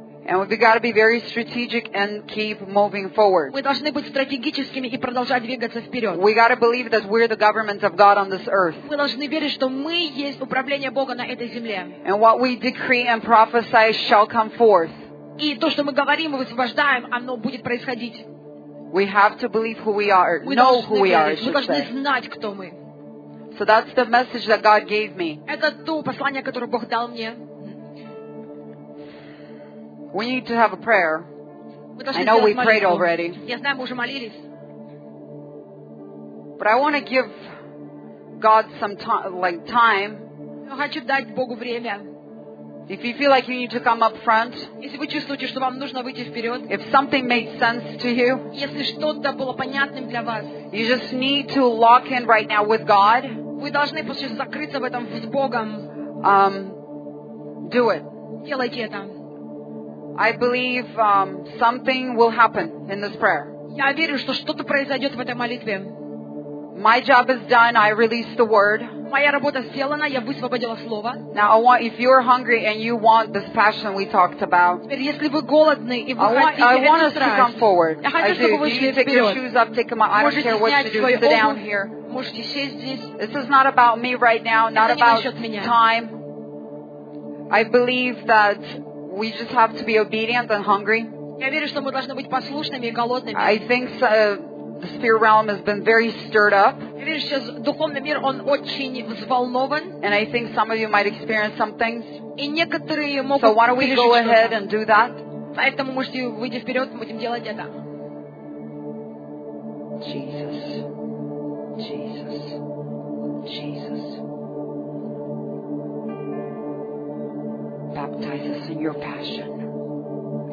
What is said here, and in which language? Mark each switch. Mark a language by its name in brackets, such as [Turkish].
[English] And we've got to be very strategic and keep moving forward. [Russian] Мы должны быть стратегическими и продолжать двигаться вперед. [English] We got to believe that we're the government of God on this earth. [Russian] Мы должны верить, что мы есть управление Бога на этой земле. [English] And what we decree and prophesy shall come forth. [Russian] И то, что мы говорим и высвобождаем, оно будет происходить. [English] We have to believe who we are, know who we are. [Russian] Мы должны знать, кто мы. [English] So that's the message that God gave me. [Russian] Это то послание, которое Бог дал мне. [English] We need to have a prayer. I know we prayed already. [Russian] Я знаю, мы уже молились. [English] But I want to give God some time. [Russian] Я хочу дать Богу время. [English] If you feel like you need to come up front. [Russian] Если вы чувствуете, что вам нужно выйти вперед. [English] If something made sense to you. [Russian] Если что-то было понятным для вас. [English] You just need to lock in right now with God. [Russian] Вы должны просто закрыться в этом с Богом. [English] Do it. [Russian] Делайте это. [English] I believe something will happen in this prayer. [Russian] Я верю, что что-то произойдет в этой молитве. [English] My job is done. I release the word. [Russian] Моя работа сделана. Я высвободила слово. [English] Now, I want, if you're hungry and you want this passion we talked about, [Russian] теперь, если вы голодны и вы хотите [English] I want us to come forward. [Russian] Я хочу, чтобы вы шли вперед. [English] You take your shoes up, take them off. I don't care what you do. Sit down here. [Russian] Можете сесть здесь. [English] This is not about me right now. Not about time. I believe that. We just have to be obedient and hungry. [Russian] Я верю, что мы должны быть послушными и голодными. [English] I think the spirit realm has been very stirred up. [Russian] Я верю, что духовный мир он очень взволнован. [English] And I think some of you might experience some things. [Russian] И некоторые могут. [English] So why don't we go ahead and do that? [Russian] Поэтому можете выйти вперед, мы будем делать это. [English] Jesus. Jesus. Jesus. Baptize us in your passion.